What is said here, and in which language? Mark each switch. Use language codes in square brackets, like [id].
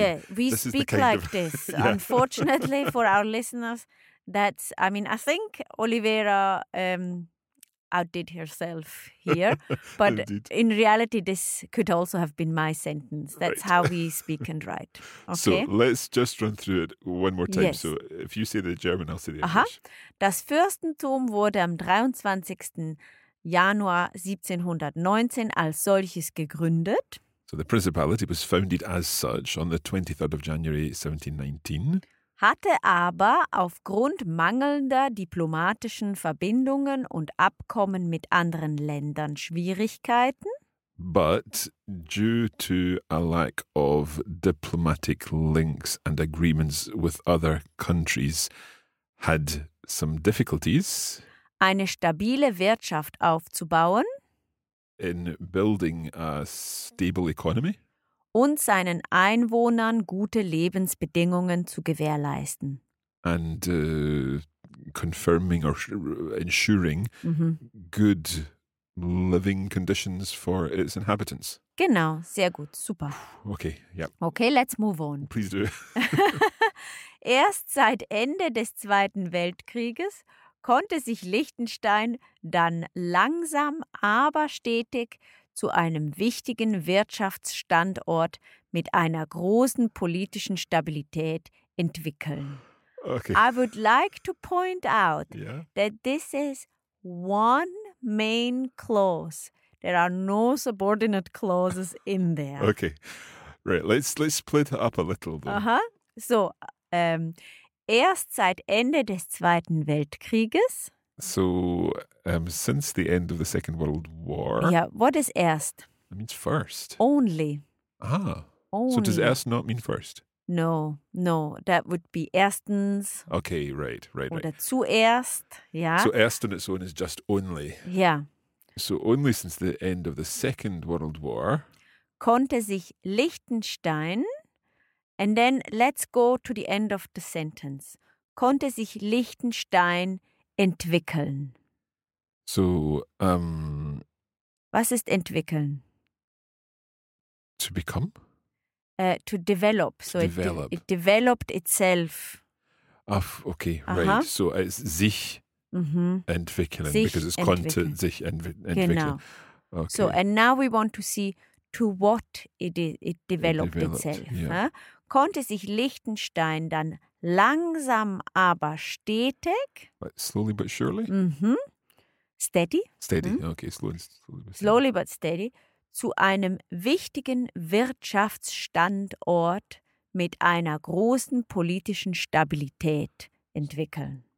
[en] Yeah, we this speak like of, this. Yeah. Unfortunately for our listeners, that's, I mean, I think Oliveira outdid herself here. But in reality, this could also have been my sentence. That's right. How we speak and write. Okay? So let's just run through it one more time. Yes. So if you say the German, I'll say the uh-huh. English. [de] Das Fürstentum wurde am 23. Januar 1719 als solches gegründet. [en] So the principality was founded as such on the 23rd of January 1719. [de] Hatte aber aufgrund mangelnder diplomatischen Verbindungen und Abkommen mit anderen Ländern Schwierigkeiten. [en] But due to a lack of diplomatic links and agreements with other countries had some difficulties. [de] Eine stabile Wirtschaft aufzubauen. [en] In building a stable economy. [de] Und seinen Einwohnern gute Lebensbedingungen zu gewährleisten. [en] And confirming or ensuring mm-hmm. good living conditions for its inhabitants. [de] Genau, sehr gut, super. [en] Okay, yeah. Okay, let's move on. Please do. [de] Erst seit Ende des Zweiten Weltkrieges konnte sich Liechtenstein dann langsam, aber stetig zu einem wichtigen Wirtschaftsstandort mit einer großen politischen Stabilität entwickeln. [en] Okay. I would like to point out yeah. that this is one main clause. There are no subordinate clauses in there. Okay. Right, let's split it up a little then. Uh-huh. [de] So, erst seit Ende des Zweiten Weltkrieges. [en] So, since the end of the Second World War. Yeah, what is erst? It means first. Only. Ah. Only. So does erst not mean first? No, no. That would be erstens. Okay, right, right, [de] oder [en] right. [de] Oder zuerst, yeah. [en] So erst on its own is just only. Yeah. So only since the end of the Second World War. [de] Konnte sich Liechtenstein. [en] And then let's go to the end of the sentence. [de] konnte sich Liechtenstein entwickeln. [en] So, [de] Was ist entwickeln? [en] To become? To develop. So develop. It developed itself. Ach, okay, aha. Right. So, sich mm-hmm. entwickeln. [de] Sich [en] because it's [de] entwickeln. Konnte sich entwickeln. Genau. [en] Okay. So, and now we want to see to what it developed itself. Yeah. [de] Konnte sich Liechtenstein dann langsam aber stetig. [en] But slowly but surely? Mm-hmm. Steady. Steady, mm-hmm. Okay. Slowly. Slowly but steady. [de] Zu einem wichtigen Wirtschaftsstandort mit einer großen politischen Stabilität entwickeln.